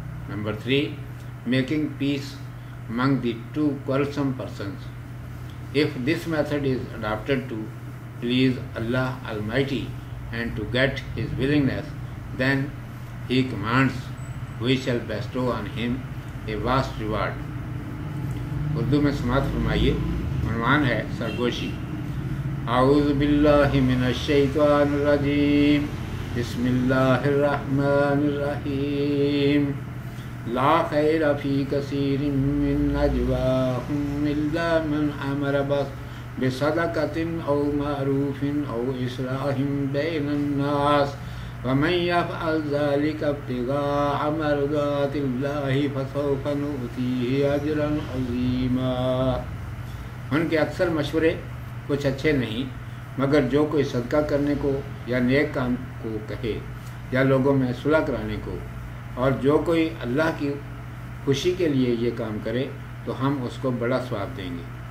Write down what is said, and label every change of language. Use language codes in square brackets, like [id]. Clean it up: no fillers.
[en] Number three, making peace among the two quarrelsome persons. If this method is adopted to please Allah Almighty and to get his willingness, then he commands, we shall bestow on him a vast reward. [ur] Urdu mein samat farmaiye, unwan hai sargoshi. [ar] أعوذ بالله من الشيطان الرجيم بسم الله الرحمن الرحيم لا خير في كثير من نجواهم إلا من أمر بصدقةٍ أو معروف أو إصلاحٍ بين الناس ومن يفعل ذلك ابتغاء مرضات الله فسوف نؤتيه أجراً عظيماً. [ur] ان کے اکثر مشورے کچھ اچھے نہیں مگر جو کوئی صدقہ کرنے کو یا نیک کام کو کہے یا لوگوں میں صلح کرانے کو اور جو کوئی اللہ کی خوشی کے لیے یہ کام کرے تو ہم اس کو بڑا ثواب دیں گے.